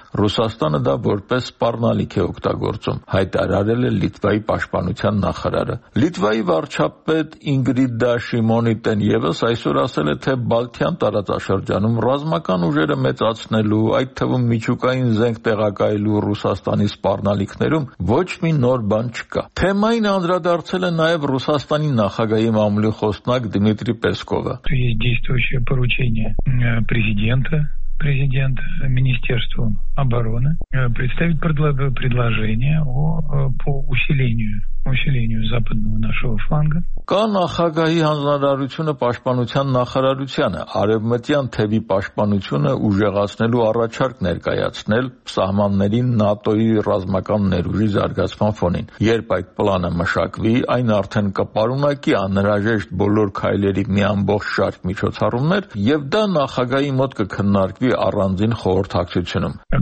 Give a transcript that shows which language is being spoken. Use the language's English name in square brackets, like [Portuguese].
[Armenian] Ռուսաստանը դա որպես սպառնալիք է օգտագործում, հայտարարել է Լիտվայի պաշտպանության նախարարը։ Լիտվայի վարչապետ Ինգրիդա Շիմոնիտեն ևս այսօր ասել է, թե Բալթյան տարածաշրջանում ռազմական ուժերը մեծացնելու, այդ թվում միջուկային զենք տեղակայելու Ռուսաստանի սպառնալիքներում ոչ մի նոր բան չկա։ Թեմային անդրադարձել է նաև Ռուսաստանի նախագահի մամուլի խոսնակ Դմիտրի Պեսկովը։ [Russian] Поручение президента, Министерству обороны представить предложение по усилению. [Armenian] Կա նախագահի հանձնարարությունը պաշտպանության նախարարությանը, արևմտյան թևի պաշտպանությունը ուժեղացնելու առաջարկ ներկայացնել սահմաններին ՆԱՏՕ-ի ռազմական ներուժի զարգացման ֆոնին։ Երբ այդ պլանը մշակվի, այն արդեն կպարունակի անհրաժեշտ բոլոր քայլերի մի ամբողջ շարք միջոցառումներ, և դա նախագահի մոտ կքննարկվի առանձին խորհրդակցությունում,